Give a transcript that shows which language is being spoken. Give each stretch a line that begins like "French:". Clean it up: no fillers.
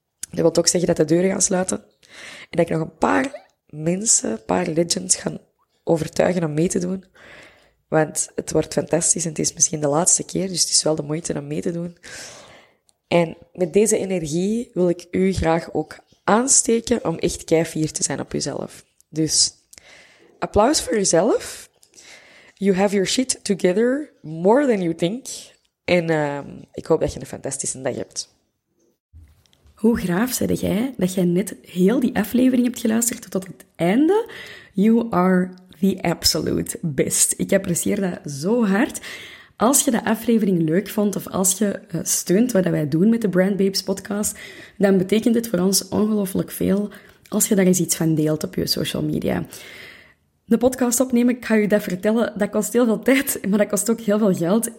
Dutch: Dat wil ook zeggen dat de deuren gaan sluiten. En dat ik nog een paar mensen, een paar legends, ga overtuigen om mee te doen. Want het wordt fantastisch en het is misschien de laatste keer, dus het is wel de moeite om mee te doen. En met deze energie wil ik u graag ook aansteken om echt keifier te zijn op uzelf. Dus applaus voor uzelf.
English: You have your shit together more than you think.
Dutch: En ik hoop dat je een fantastische dag hebt. Hoe graaf zeide jij dat jij net heel die aflevering hebt geluisterd tot het einde?
English: You are the absolute best.
Dutch: Ik apprecieer dat zo hard. Als je de aflevering leuk vond of als je steunt wat wij doen met de Brand Babes podcast, dan betekent het voor ons ongelooflijk veel als je daar eens iets van deelt op je social media. De podcast opnemen, ik ga je dat vertellen, dat kost heel veel tijd, maar dat kost ook heel veel geld.